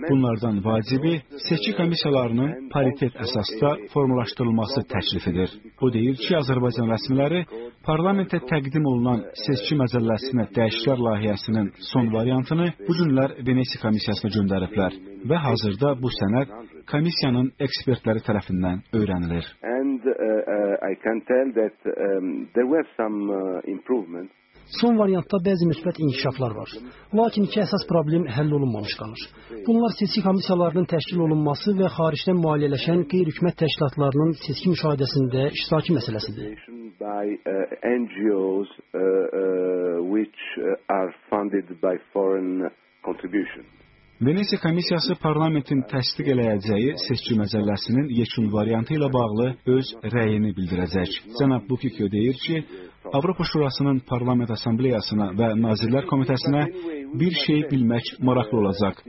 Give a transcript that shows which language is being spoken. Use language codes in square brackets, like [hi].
[az] Bunlardan vacibi seçki komissiyalarının paritet əsasda formalaşdırılması təklifidir. O deyir ki, Azərbaycan rəsmiləri parlamentə təqdim olunan seçki məcəlləsinə dəyişikliklər layihəsinin son variantını bu günlər Venesiya Komissiyasına göndəriblər və hazırda bu sənəd komissiyanın ekspertləri tərəfindən öyrənilir. [en] I can tell that there were some improvements. [az] Son variantda bəzi müsbət inkişaflar var. Lakin iki əsas problem həll olunmamış qalır. Bunlar seçki komissiyalarının təşkil olunması və xaricdən maliyyələşən qeyri-hökumət təşkilatlarının seçki müşahidəsində iştirakı məsələsidir. [en] By NGOs which are funded by foreign contributions. [az] Venesiya Komissiyası parlamentin təsdiq eləyəcəyi seçki məcəlləsinin yekun variantı ilə bağlı öz rəyini bildirəcək. Cənab Buccicchio deyir ki, Avropa Şurasının Parlament Assambleyasına və Nazirlər Komitəsinə bir şey bilmək maraqlı olacaq.